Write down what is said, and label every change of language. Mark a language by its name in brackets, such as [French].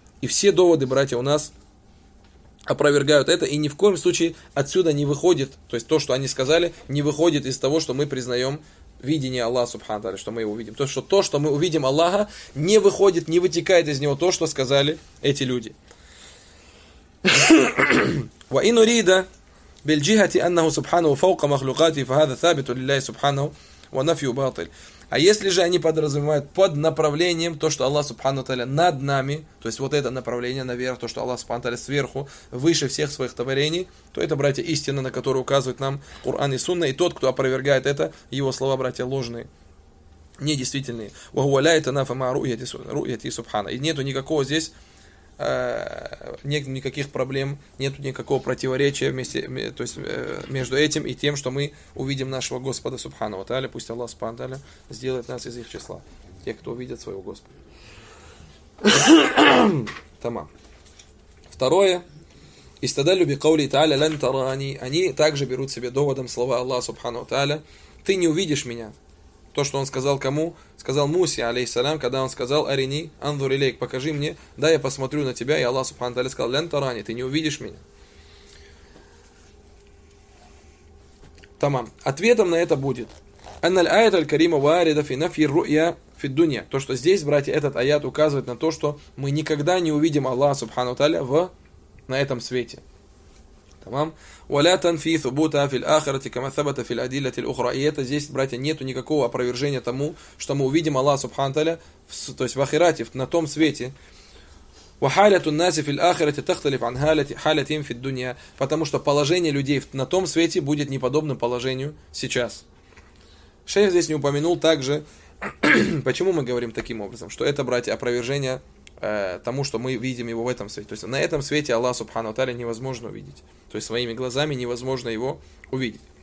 [Russian] И все доводы, братья, у нас опровергают это, и ни в коем случае отсюда не выходит, то есть то, что они сказали, не выходит из того, что мы признаем видение Аллаха субхану тааля, что мы его увидим. То, что мы увидим Аллаха, не выходит, не вытекает из него то, что сказали эти люди. [Arabic] وإن أريد بالجهة أنه سبحانه فوق مخلوقاته فهذا ثابت لله سبحانه ونفي باطل. [Russian] А если же они подразумевают под направлением то, что Аллах субхану таля над нами, то есть вот это направление наверх, то, что Аллах субхану таля сверху, выше всех своих творений, то это, братья, истина, на которую указывает нам Коран и Сунна, и тот, кто опровергает это, его слова, братья, ложные. Недействительные. [Arabic] وهو لا يتنافى مع رؤيته سبحانه. [Russian] И нету никакого здесь нет никаких проблем, нет никакого противоречия вместе, то есть, между этим и тем, что мы увидим нашего Господа субхана ва тааля. Пусть Аллах субхана ва тааля сделает нас из их числа, тех, кто увидит своего Господа. Тамам. Второе. [Arabic] Истадалю бикаули тааля лян тарани. [Russian] Они также берут себе доводом слова Аллаха субхана ва тааля. Ты не увидишь меня. То, что он сказал кому? Сказал Мусе, алейхиссалям, когда он сказал [Arabic] «Арини, анзур илейк, [Russian] покажи мне, да, я посмотрю на тебя». И Аллах субхану тааля сказал [Arabic] «Лян тарани, [Russian] ты не увидишь меня». Тамам. Ответом на это будет [Arabic] «Анналь аят аль-карима варида фи нафи ру'я фи дунья». [Russian] То, что здесь, братья, этот аят указывает на то, что мы никогда не увидим Аллаха субхану тааля на этом свете. [Arabic] تمام. ولا تنفي ثبوتها في الآخرة كما ثبت في الأدلة الأخرى. [Russian] И это здесь, братья, нету никакого опровержения тому, что мы увидим Аллаха Субхану Таля, то есть в Ахирате, на том свете. [Arabic] وحالات الناس في الآخرة تختلف عن حالتهم في الدنيا. [Russian] Потому что положение людей на том свете будет неподобным положению сейчас. Шейх здесь не упомянул также, почему мы говорим таким образом, что это, братья, опровержение тому, что мы видим его в этом свете. То есть на этом свете Аллах Субхану Таля невозможно увидеть. То есть своими глазами невозможно его увидеть.